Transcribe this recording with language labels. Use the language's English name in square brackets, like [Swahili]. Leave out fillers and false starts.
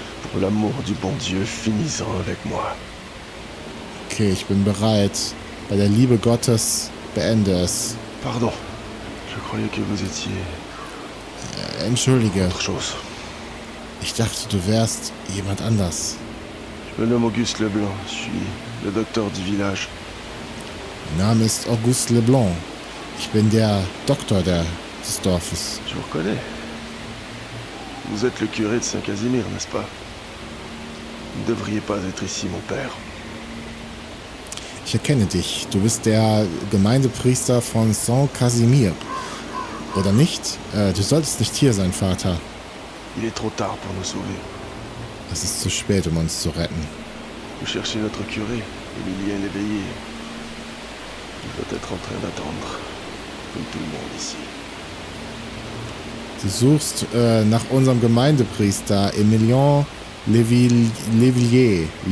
[French] Pour l'amour du bon Dieu, finis-en avec moi. [German] Okay, ich bin bereit. Bei der Liebe Gottes. Beende es. [French] Pardon. Je croyais que vous étiez... [German] Entschuldige. [French] Autre chose. [German] Ich dachte, du wärst jemand anders. [French] Je me nomme Auguste Leblanc. Je suis le docteur du village. [German] Mein Name ist Auguste Leblanc. Ich bin der Doktor des Dorfes. [French] Je vous reconnais. Vous êtes le curé de Saint-Casimir, n'est-ce pas? Vous ne devriez pas être ici, mon père. [German] Ich erkenne dich. Du bist der Gemeindepriester von Saint-Casimir. Oder nicht? Du solltest nicht hier sein, Vater. [French] Il est trop tard pour nous sauver. [German] Es ist zu spät, um uns zu retten. [French] Vous cherchez notre curé, Emilien Léveillé. Il doit être en train d'attendre, comme tout le monde ici. [German] Du suchst nach unserem Gemeindepriester, Emilien Léveillé.